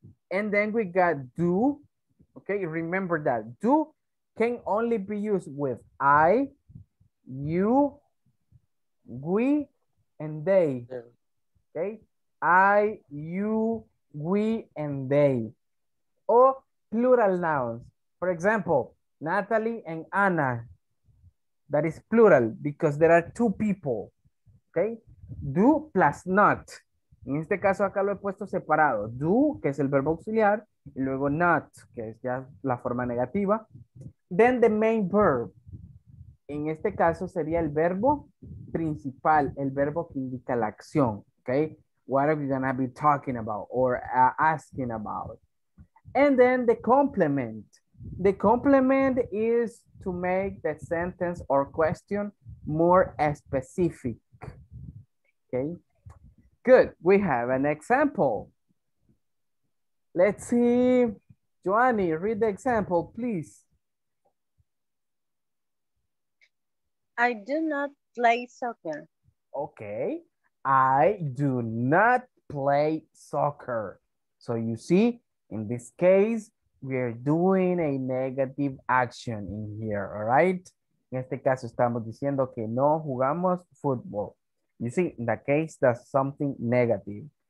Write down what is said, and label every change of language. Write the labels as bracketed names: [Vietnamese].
[English] And then we got do. Okay, remember that do can only be used with I, you, we, and they. Okay, I, you, we, and they. Or plural nouns. For example, Natalie and Anna. That is plural because there are two people. Okay, do plus not. [Spanish] En este caso acá lo he puesto separado. Do, que es el verbo auxiliar, y luego not, que es ya la forma negativa. [English] Then the main verb. [Spanish] En este caso sería el verbo principal, el verbo que indica la acción, okay? [English] What are we gonna be talking about or asking about? And then the complement. The complement is to make the sentence or question more specific, okay? Good, we have an example. Let's see, Joanny, read the example, please. I do not play soccer. Okay, I do not play soccer. So you see, in this case, we are doing a negative action in here, all right? [Spanish] En este caso, estamos diciendo que no jugamos fútbol. [English] You see, in that case, that's something negative.